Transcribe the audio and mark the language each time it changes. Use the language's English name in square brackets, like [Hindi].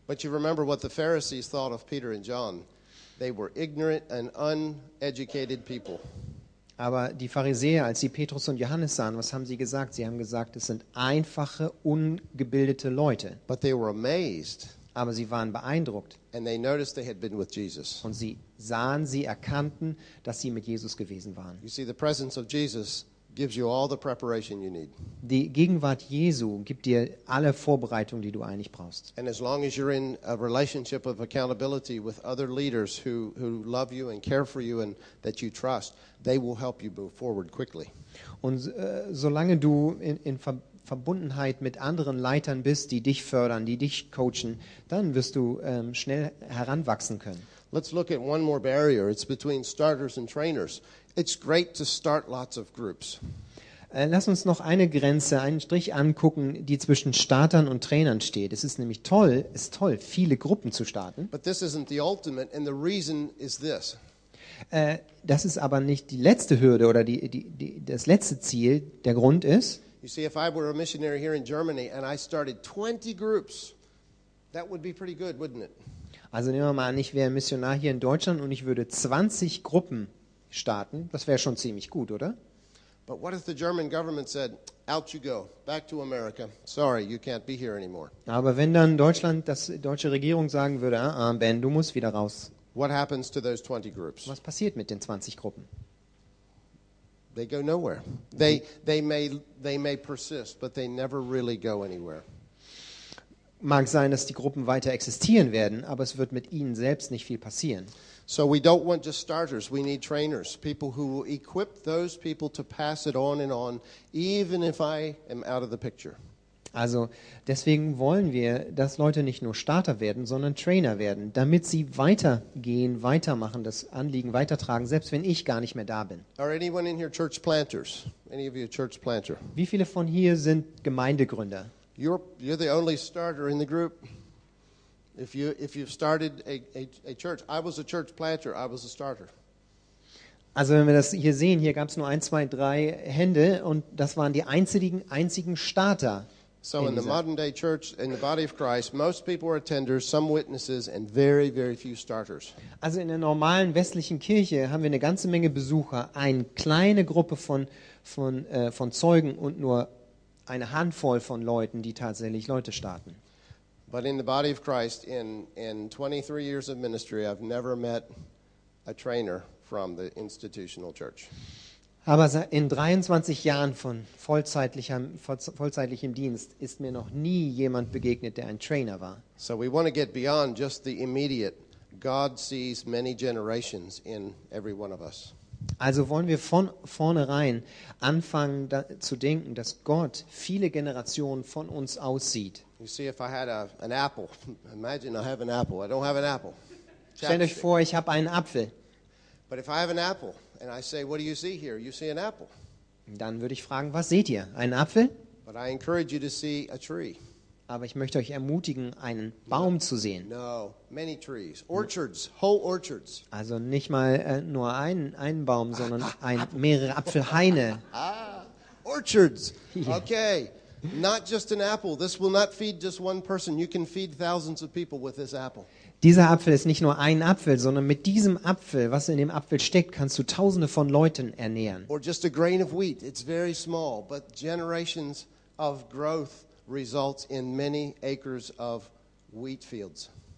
[English] But you remember what the Pharisees thought of Peter and John. They were ignorant and uneducated people. [German] Aber die Pharisäer, als sie Petrus und Johannes sahen, was haben sie gesagt? Sie haben gesagt, es sind einfache, ungebildete Leute. [English] But they were amazed. [German] Aber sie waren beeindruckt. [English] And they noticed they had been with Jesus. [German] Und sie sahen, sie erkannten, dass sie mit Jesus gewesen waren. [English] You see, the presence of Jesus gives you all the preparation you need. [German] Die Gegenwart Jesu gibt dir alle Vorbereitungen, die du eigentlich brauchst. [English] And as long as you're in a relationship of accountability with other leaders who love you and care for you and that you trust, they will help you move forward quickly. [German] Und solange du in Verbundenheit mit anderen Leitern bist, die dich fördern, die dich coachen, dann wirst du schnell heranwachsen können. [English] Let's look at one more barrier. It's between starters and trainers. It's great to start lots of groups. [German] Lass uns noch eine Grenze, einen Strich angucken, die zwischen Startern und Trainern steht. Es ist nämlich toll, viele Gruppen zu starten. [English] But this isn't the ultimate, and the reason is this. [German] Das ist aber nicht die letzte Hürde oder das letzte Ziel. Der Grund ist, [English] you see, if I were a missionary here in Germany and I started 20 groups, that would be pretty good, wouldn't it? [German] Also nehmen wir mal an, ich wäre Missionar hier in Deutschland und ich würde 20 Gruppen starten. Das wäre schon ziemlich gut, oder? [English] But what if the German government said, out you go, back to America. Sorry, you can't be here anymore. [German] Aber wenn dann Deutschland, das deutsche Regierung sagen würde, Ben, du musst wieder raus. [English] What happens to those 20 groups? [German] Was passiert mit den 20 Gruppen? [English] They go nowhere. They may persist, but they never really go anywhere. [German] Mag sein, dass die Gruppen weiter existieren werden, aber es wird mit ihnen selbst nicht viel passieren. [English] So we don't want just starters, we need trainers, people who will equip those people to pass it on and on, even if I am out of the picture. [German] Also, deswegen wollen wir, dass Leute nicht nur Starter werden, sondern Trainer werden, damit sie weitergehen, weitermachen, das Anliegen weitertragen, selbst wenn ich gar nicht mehr da bin. [English] Are anyone in here church planters? Any of you a church planter? [German] Wie viele von hier sind Gemeindegründer? [English] You're the only starter in the group. If you've started a church, I was a church planter, I was a starter. [German] Also wenn wir das hier sehen, hier gab es nur 1, 2, 3 Hände und das waren die einzigen Starter. [English] So in the modern day church, in the body of Christ, most people are attenders, some witnesses and very, very few starters. [German] Also in der normalen westlichen Kirche haben wir eine ganze Menge Besucher, eine kleine Gruppe von Zeugen und nur eine Handvoll von Leuten, die tatsächlich Leute starten. [English] But in the body of Christ, in 23 years of ministry, I've never met a trainer from the institutional church. [German] Aber in 23 Jahren von vollzeitlichem Dienst ist mir noch nie jemand begegnet, der ein Trainer war. [English] So we want to get beyond just the immediate. God sees many generations in every one of us. [German] Also wollen wir von vornherein anfangen zu denken, dass Gott viele Generationen von uns aussieht. [English] You see, if I had an apple, imagine I have an apple. I don't have an apple. [German] Stellt euch vor, ich habe einen Apfel. [English] But if I have an apple and I say, what do you see here? You see an apple. [German] Dann würde ich fragen, was seht ihr? Einen Apfel? [English] But I encourage you to see a tree. [German] Aber ich möchte euch ermutigen, einen Baum zu sehen. [English] No, many trees. Orchards, whole orchards. [German] Also nicht mal nur einen Baum, sondern mehrere Apfelhaine. [English] Ah, orchards. Okay. Not just an apple. This will not feed just one person. You can feed thousands of people with this apple. [German] Dieser Apfel ist nicht nur ein Apfel, sondern mit diesem Apfel, was in dem Apfel steckt, kannst du tausende von Leuten ernähren. [English] Or just a grain of wheat. It's very small, but generations of growth results in many acres of wheat fields.